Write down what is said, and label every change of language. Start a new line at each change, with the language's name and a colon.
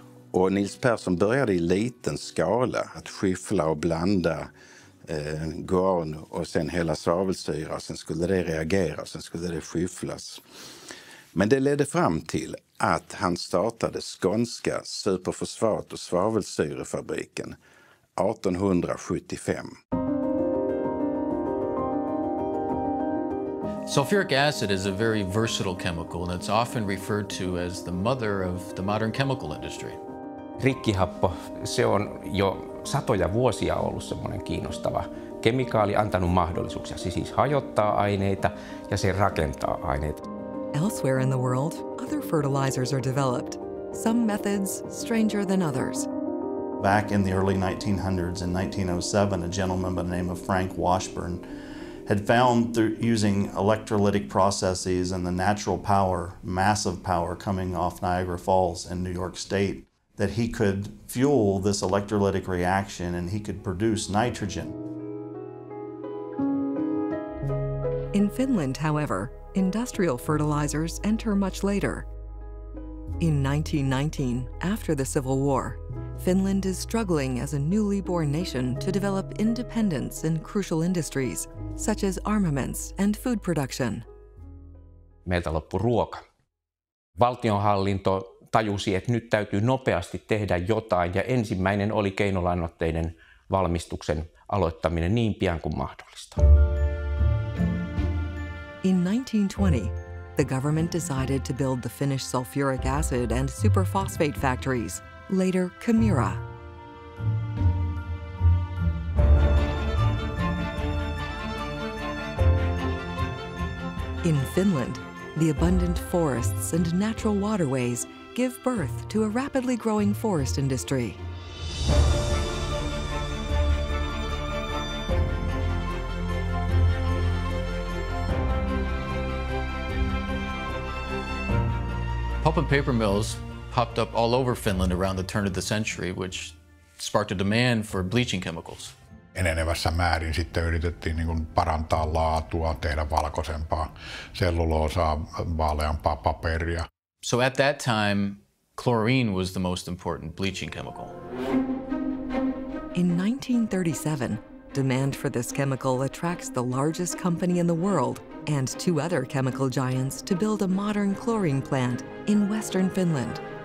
Swedish: Och Nils Persson började i liten skala att skiffla och blanda guano och sen hela svavelsyra. Sen skulle det reagera, sen skulle det skifflas. Men det ledde fram till att han startade Skånska superfosfat- och svavelsyrefabriken 1875.
English: Sulfuric acid is a very versatile chemical that's often referred to as the mother of the modern chemical industry.
Finnish: Rikkihappo, se on jo satoja vuosia ollut semmoinen kiinnostava kemikaali, antanut mahdollisuuksia, siis hajottaa aineita ja se rakentaa aineita.
English: Elsewhere in the world, other fertilizers are developed, some methods stranger than others. Back in the early 1900s, in 1907, a gentleman by the name of Frank Washburn had found through using electrolytic processes and the natural power, massive power, coming off Niagara Falls in New York State, that he could fuel this electrolytic reaction and he could produce nitrogen. In Finland, however, industrial fertilizers enter much later. In 1919, after the Civil War, Finland is struggling as a newly born nation to develop independence in crucial industries, such as armaments and food production.
Finnish: Meiltä loppui ruoka. Valtionhallinto tajusi, että nyt täytyy nopeasti tehdä jotain, ja ensimmäinen oli keinolannoitteiden valmistuksen aloittaminen niin pian kuin mahdollista.
English: In 1920, the government decided to build the Finnish sulfuric acid and superphosphate factories, later Kemira. In Finland, the abundant forests and natural waterways give birth to a rapidly growing forest industry. Pulp and paper mills popped up all over Finland around the turn of the century, which sparked a demand for bleaching chemicals.
Finnish: Enenevässä määrin sitten yritettiin niin kuin parantaa laatua, tehdä valkoisempaa selluloosaa, vaaleampaa paperia.
English: So at that time, chlorine was the most important bleaching chemical. In 1937, demand for this chemical attracts the largest company in the world and two other chemical giants to build a modern chlorine plant in western Finland.